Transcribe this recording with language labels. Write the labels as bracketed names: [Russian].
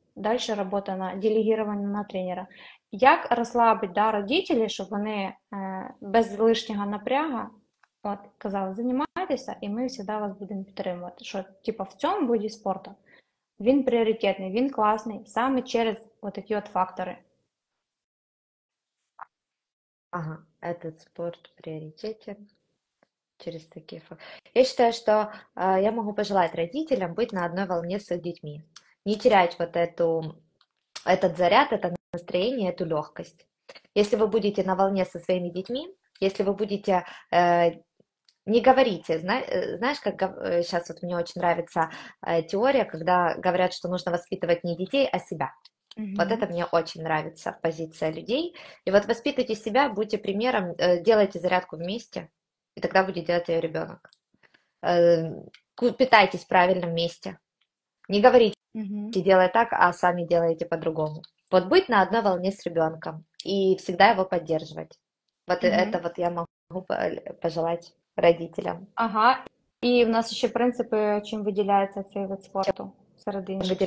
[Ukrainian] Далі робота на делегування на тренера. Як розслабити, да, родителі, щоб вони без лишнього напряга от, казали, займайтеся, і ми завжди вас будемо підтримувати. Що, типу, в цьому буді спорту він пріоритетний, він класний, саме через отакі от фактори. Ага, [Russian] этот спорт в приоритете через такие факты. Я считаю, что я могу пожелать родителям быть на одной волне с их детьми, не терять вот этот заряд, это настроение, эту легкость. Если вы будете на волне со своими детьми, если вы будете не говорите, знаешь, как сейчас вот мне очень нравится теория, когда говорят, что нужно воспитывать не детей, а себя. Вот это мне очень нравится, позиция людей. И вот воспитывайте себя, будьте примером, делайте зарядку вместе, и тогда будет делать ее ребенок. Питайтесь в правильном месте. Не говорите, делай так, а сами делайте по-другому. Вот быть на одной волне с ребенком и всегда его поддерживать. Вот это вот я могу пожелать родителям. [Ukrainian] Ага, і в нас ще принципи, чим виділяється цей вид спорту серед інших, чим